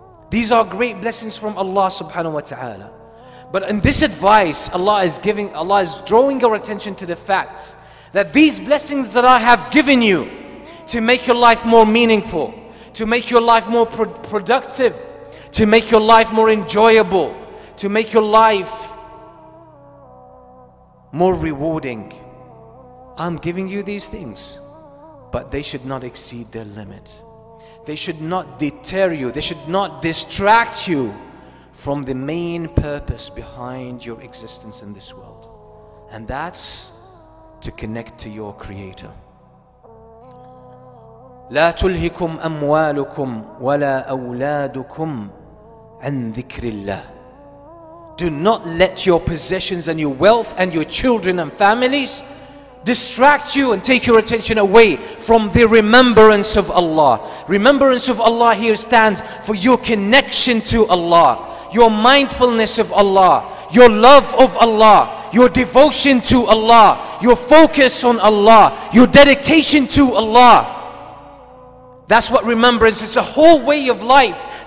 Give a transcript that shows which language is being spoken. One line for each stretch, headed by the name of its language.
English: These are great blessings from Allah subhanahu wa ta'ala. But in this advice, Allah is drawing our attention to the fact that these blessings that I have given you to make your life more meaningful, to make your life more productive, to make your life more enjoyable, to make your life more rewarding, I'm giving you these things, but they should not exceed their limit. They should not deter you. They should not distract you from the main purpose behind your existence in this world. And that's to connect to your Creator.
Arabic: لا تلهكم أموالكم ولا أولادكم عن ذكر الله.
English: Do not let your possessions and your wealth and your children and families distract you and take your attention away from the remembrance of Allah. Remembrance of Allah here stands for your connection to Allah, your mindfulness of Allah, your love of Allah, your devotion to Allah, your focus on Allah, your dedication to Allah. That's what remembrance is. It's a whole way of life